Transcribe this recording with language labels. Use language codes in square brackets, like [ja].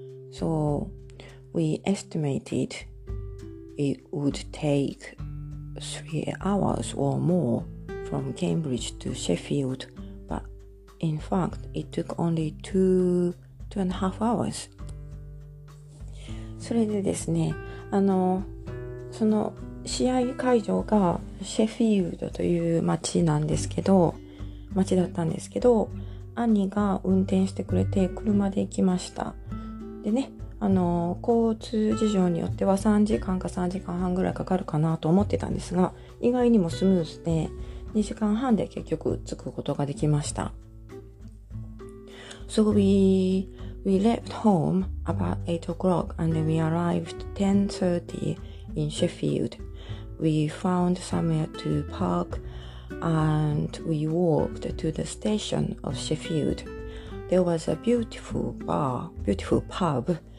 [en] So we estimated. It would take 3 hours or more from Cambridge to Sheffield, but in fact, it took only two and a half hours. [ja] それでですね、その試合会場がシェフィールドという町だったんですけど、兄が運転してくれて車で行きました。でね、交通事情によっては3時間か3時間半ぐらいかかるかなと思ってたんですが、意外にもスムーズで2時間半で結局着くことができました。 [en] So we left home about 8 o'clock and we arrived 10:30 in Sheffield. We found somewhere to park and we walked to the station of Sheffield. There was a beautiful pub.